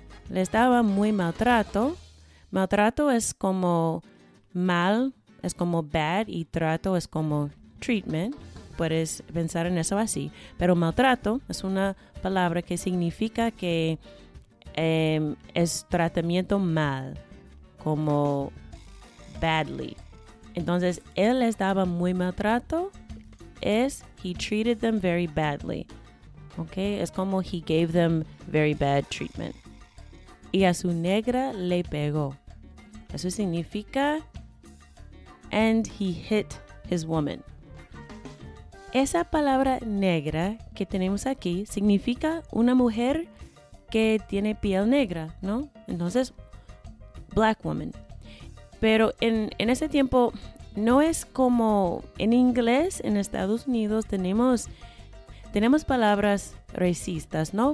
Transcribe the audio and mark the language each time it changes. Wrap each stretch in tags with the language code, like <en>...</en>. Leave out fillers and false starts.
<es>Les daba muy maltrato. Maltrato es como mal, es como bad, y trato es como treatment. Puedes pensar en eso así. Pero maltrato es una palabra que significa que es tratamiento mal, como badly. Entonces, él les daba muy maltrato.</es> <en>Es he treated them very badly. Okay?</en> <es>Es como</es> <en>he gave them very bad treatment.</en> <es>Y a su negra le pegó. Eso significa</es> <en>and he hit his woman.</en> <es>Esa palabra negra que tenemos aquí significa una mujer que tiene piel negra, ¿no? Entonces,</es> <en>black woman.</en> <es>Pero en ese tiempo no es como en inglés. En Estados Unidos tenemos palabras racistas, ¿no?</es>